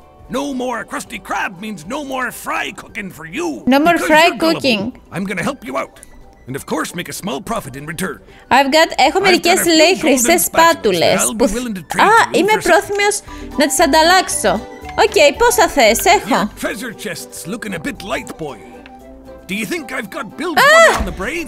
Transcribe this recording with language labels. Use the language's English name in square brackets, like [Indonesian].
[English] No more Krusty Krab means no more fry cooking for you. No more fry cooking. I'm gonna help you out. And of course make a small profit in return. [Greek] Έχω μερικές λέει χρυσές σπάτουλες. Είμαι πρόθυμος να τις ανταλλάξω. Οκ, πόσα θες, έχω. [English] Treasure chests looking a bit light, boy. Do you think I've got bills on the brain?